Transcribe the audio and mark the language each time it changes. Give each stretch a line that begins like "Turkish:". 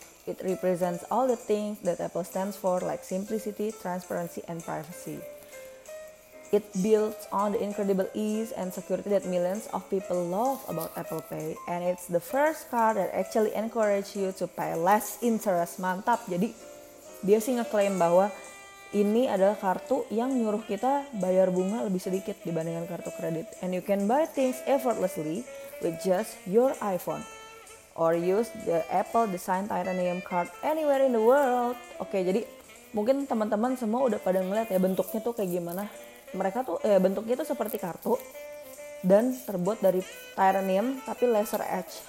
English: It represents all the things that Apple stands for, like simplicity, transparency, and privacy. It builds on the incredible ease and security that millions of people love about Apple Pay. And it's the first card that actually encourages you to pay less interest.
Indonesian: Mantap. Jadi, dia sih ngeklaim bahwa ini adalah kartu yang nyuruh kita bayar bunga lebih sedikit dibandingkan kartu kredit.
English: And you can buy things effortlessly with just your iPhone. Or use the Apple Design Titanium Card anywhere in the world.
Indonesian: Oke, jadi mungkin teman-teman semua udah pada ngeliat ya bentuknya tuh kayak gimana. Mereka tuh bentuknya tuh seperti kartu dan terbuat dari titanium tapi laser edge.